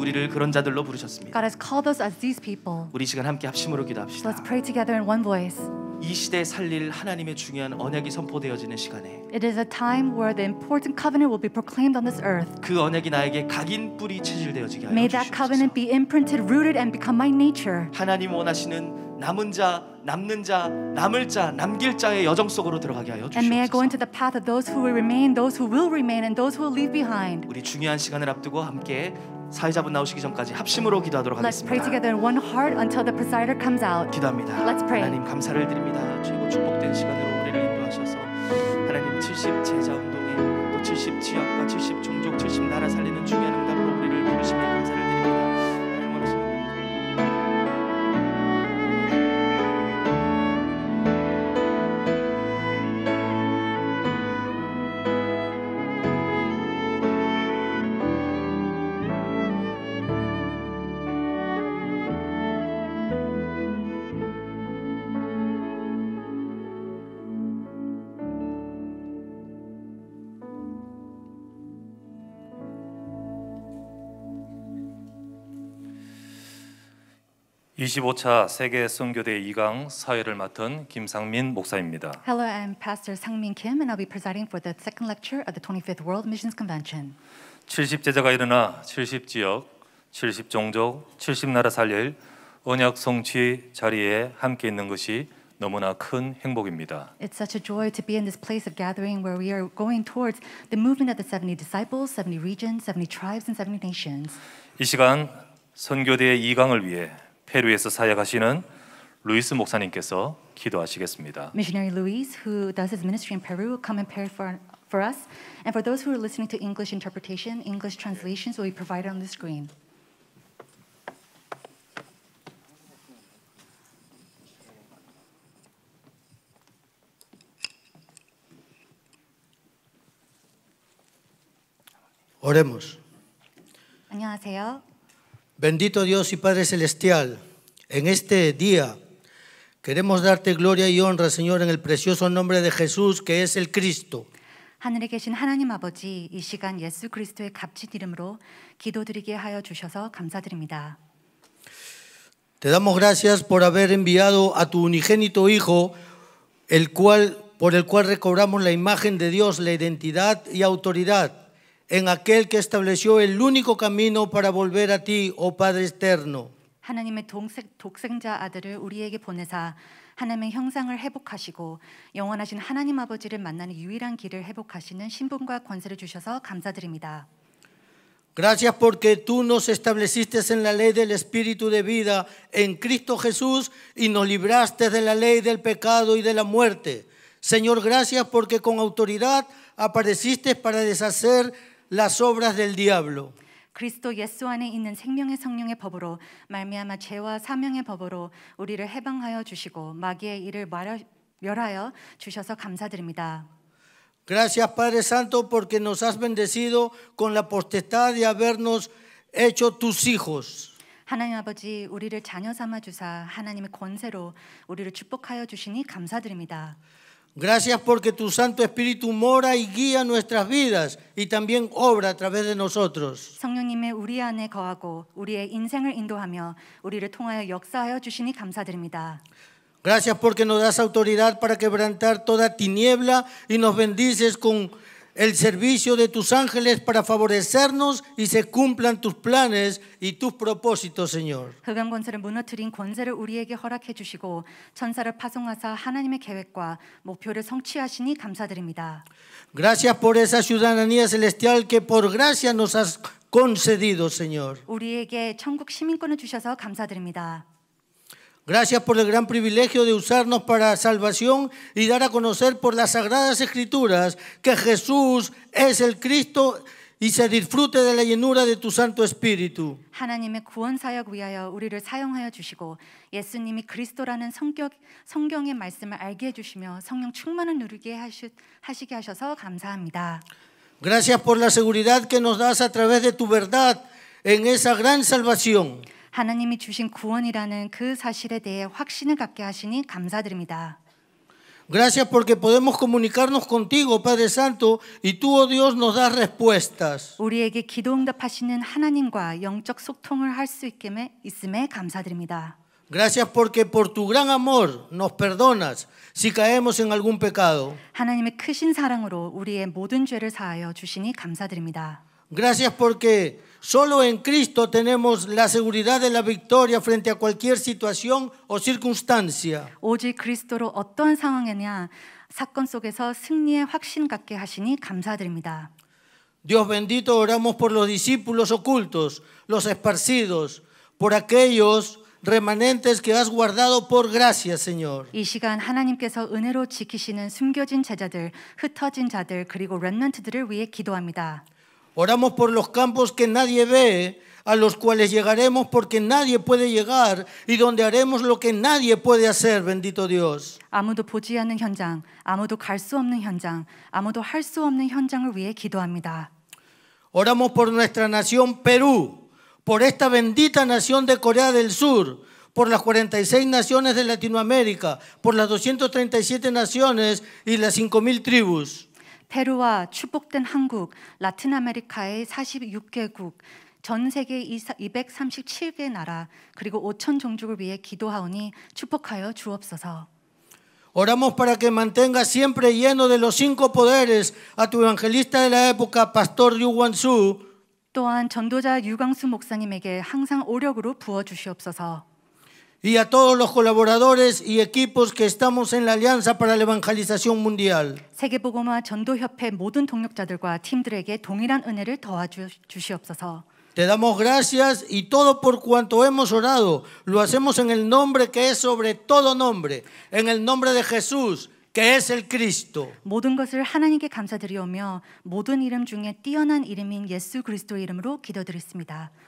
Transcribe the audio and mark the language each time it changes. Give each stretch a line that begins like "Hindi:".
Korean: 그런 자들로 부르셨습니다.
English: God has called us as these people.
Korean: 우리 시간 함께 합심으로 기도합시다.
English: Let's pray together in one voice.
Korean: 이 시대 살릴 하나님의 중요한 언약이 선포되어지는 시간에
English: It is a time where the important covenant will be proclaimed on this earth.
Korean: 그 언약이 나에게 각인 뿌리 체질되어지게
English: May that covenant be imprinted, rooted, and become my nature.
Korean: 하나님 원하시는 남은 자, 남는 자, 남을 자, 남길 자의 여정 속으로 들어가게 하여 주시옵소서.
English: And may I go into the path of those who will remain, those who will remain, and those who will leave behind.
Korean: 우리 중요한 시간을 앞두고 함께 사회자분 나오시기 전까지 합심으로 기도하도록
English: Let's Let's pray together in one heart until the presider comes out.
Korean: 기도합니다.
English: Let's pray.
Korean: 하나님 감사를 드립니다. 최고 축복된 시간으로 우리를 인도하셔서 하나님 70 제자 운동에 또 70 지역과 70 종족, 70 나라 살리는 중요한 응답으로 우리를 부르심에 감사를 드립니다. 25차 세계선교대회 2강 사회를 맡은 김상민 목사입니다.
English: Hello, I'm Pastor Sangmin Kim, and I'll be presiding for the second lecture of the 25th World Missions Convention.
Korean: 70 제자가 일어나 70 지역, 70 종족, 70 나라 살릴 언약 성취 자리에 함께 있는 것이 너무나 큰 행복입니다.
English: It's such a joy to be in this place of gathering where we are going towards the movement of the 70 disciples, 70 regions, 70 tribes, and 70 nations.
Korean: 이 시간 선교대회 2강을 위해 페루에서 사역하시는 루이스 목사님께서 기도하시겠습니다.
English: Missionary Luis, who does his ministry in Peru, come and pray for us. And for those who are listening to English interpretation, English translations will be provided on the screen.
Spanish: 오레모스.
Korean: 안녕하세요.
Spanish: Bendito Dios y Padre Celestial, en este día queremos darte gloria y honra, Señor, en el precioso nombre de Jesús, que es el Cristo.
Korean: 하늘에 계신 하나님 아버지, 이 시간 예수 그리스도의 값진 이름으로 기도드리게 하여 주셔서 감사드립니다.
Spanish: Te damos gracias por haber enviado a tu unigénito Hijo, por el cual recobramos la imagen de Dios, la identidad y autoridad. En aquel que estableció el único camino para volver a ti, oh Padre eterno.
Korean: 하나님의 독생자 아들을 우리에게 보내사 하나님의 형상을 회복하시고 영원하신 하나님 아버지를 만나는 유일한 길을 회복하시는 신분과 권세를 주셔서 감사드립니다.
Spanish: Gracias porque tú nos estableciste en la ley del espíritu de vida en Cristo Jesús y nos libraste de la ley del pecado y de la muerte. Señor, gracias porque con autoridad apareciste para deshacer las obras del diablo.
Korean: 그리스도 예수 안에 있는 생명의 성령의 법으로 말미암아 죄와 사명의 법으로 우리를 해방하여 주시고 마귀의 일을 멸하여 주셔서 감사드립니다.
Spanish: Gracias Padre Santo porque nos has bendecido con la potestad de habernos hecho tus hijos.
Korean: 하나님 아버지 우리를 자녀 삼아 주사 하나님의 권세로 우리를 축복하여 주시니 감사드립니다.
Spanish: Gracias porque tu Santo Espíritu mora y guía nuestras vidas y también obra a través de nosotros.
Korean: 성령님이 우리 안에 거하고 우리의 인생을 인도하며 우리를 통하여 역사하여 주시니 감사드립니다.
Spanish: Gracias porque nos das autoridad para quebrantar toda tiniebla y nos bendices con el servicio de tus ángeles para favorecernos y se cumplan tus planes y tus propósitos, Señor.
Korean: 흑암 권세를 무너뜨린 권세를 우리에게 허락해 주시고 천사를 파송하사 하나님의 계획과 목표를 성취하시니 감사드립니다.
Spanish: Gracias por esa ciudadanía celestial que por gracia nos has concedido, Señor.
Korean: 우리에게 천국 시민권을 주셔서 감사드립니다.
Spanish: Gracias por el gran privilegio de usarnos para salvación y dar a conocer por las sagradas escrituras que Jesús es el Cristo y se disfrute de la llenura de tu Santo Espíritu.
Korean: 하나님의 구원 사역 위하여 우리를 사용하여 주시고 예수님이 그리스도라는 성경의 말씀을 알게 해 주시며 성령 충만을 누리게 하시게 하셔서 감사합니다.
Spanish: Gracias por la seguridad que nos das a través de tu verdad en esa gran salvación.
Korean: 하나님이 주신 구원이라는 그 사실에 대해 확신을 갖게 하시니 감사드립니다.
Spanish: Gracias porque podemos comunicarnos contigo, Padre Santo, y tú, oh Dios, nos das respuestas.
Korean: 우리에게 기도응답하시는 하나님과 영적 소통을 할 수 있게 있음에 감사드립니다.
Spanish: Gracias porque por tu gran amor nos perdonas si caemos en algún pecado.
Korean: 하나님의 크신 사랑으로 우리의 모든 죄를 사하여 주시니 감사드립니다.
Spanish: Gracias porque solo en Cristo tenemos la seguridad de la victoria frente a cualquier situación o circunstancia.
Korean: 오직 그리스도로 어떤 상황이냐 사건 속에서 승리의 확신 갖게 하시니 감사드립니다.
Spanish: Dios bendito, oramos por los discípulos ocultos, los esparcidos, por aquellos remanentes que has guardado por gracia, Señor.
Korean: 이 시간 하나님께서 은혜로 지키시는 숨겨진 제자들, 흩어진 자들, 그리고 렘넌트들을 위해 기도합니다.
Spanish: Oramos por los campos que nadie ve, a los cuales llegaremos porque nadie puede llegar y donde haremos lo que nadie puede hacer, bendito Dios.
Korean: 아무도 보지 않는 현장, 아무도 갈 수 없는 현장, 아무도 할 수 없는 현장을 위해 기도합니다.
Spanish: Oramos por nuestra nación Perú, por esta bendita nación de Corea del Sur, por las 46 naciones de Latinoamérica, por las 237 naciones y las 5000 tribus.
Korean: 페루와 축복된 한국, 라틴 아메리카의 46개국, 전 세계 237개 나라, 그리고 5천 종족을 위해 기도하오니 축복하여 주옵소서.
Spanish: Oramos para que mantenga siempre lleno de los cinco poderes a tu evangelista de la época, Pastor Yu Wansu.
Korean: 또한 전도자 유광수 목사님에게 항상 오력으로 부어주시옵소서.
Spanish: Y a todos los colaboradores y equipos que estamos en la Alianza para la Evangelización Mundial.
Korean: 세계복음화전도협회 모든 동역자들과 팀들에게 동일한 은혜를 더해주시옵소서.
Spanish: Te damos gracias y todo por cuanto hemos orado lo hacemos en el nombre que es sobre todo nombre, en el nombre de Jesús, que es el Cristo.
Korean: 모든 것을 하나님께 감사드리오며 모든 이름 중에 뛰어난 이름인 예수 그리스도의 이름으로 기도드렸습니다.